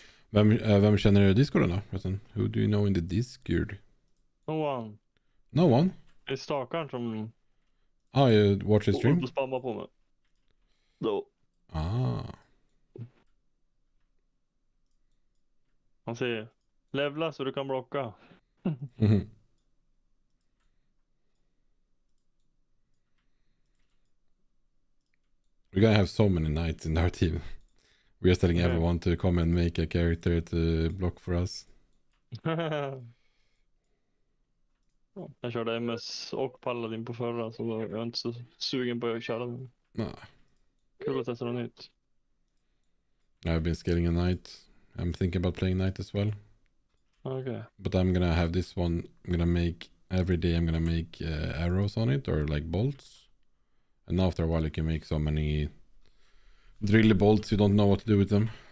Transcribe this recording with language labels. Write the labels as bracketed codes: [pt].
[sv] Vem känner du i Discorden då? [en] Who do you know in the Discord? No one. No one? [sv] Det är stakaren som... [en] Ah, you watch the stream? [sv] Och spammar på mig. Då. No. Ah. Han säger, levla så du kan blocka. [en] We're gonna have so many knights in our team. We are telling everyone to come and make a character to block for us. [sv] Jag körde MS och Paladin på förra, så jag är inte så sugen på att köra den. Nah. Kul att testa något nytt. [en] I've been scaling a knight. I'm thinking about playing knight as well. Okay. But I'm gonna have this one. I'm gonna make, every day I'm gonna make arrows on it, or like bolts. And after a while you can make so many drill bolts, you don't know what to do with them.